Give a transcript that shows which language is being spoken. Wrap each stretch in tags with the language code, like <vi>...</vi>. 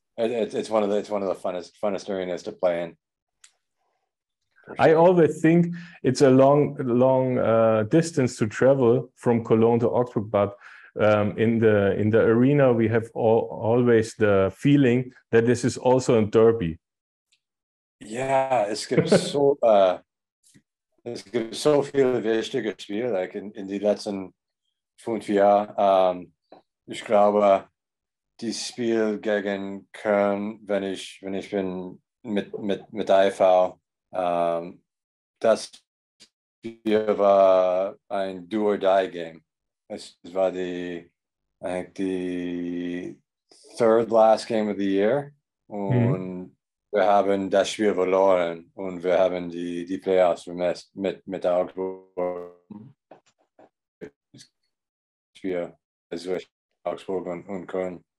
<en>It's one of the funnest arenas to play in. Sure. I always think it's a long distance to travel from Cologne to Augsburg, but in the arena we have always the feeling that this is also a derby.</en> <de>Yeah, es gibt so viele wichtige Spiele, like in die letzten 5 Jahre. Ich glaube, die Spiel gegen Köln, wenn ich bin mit IV, das Spiel war ein</de> <en>do or die game.</en> <de>Es war</de> <en>the third last game of the year.</en> <de>Und wir haben das Spiel verloren und wir haben die Playoffs vermisst mit Augsburg und Köln.</de>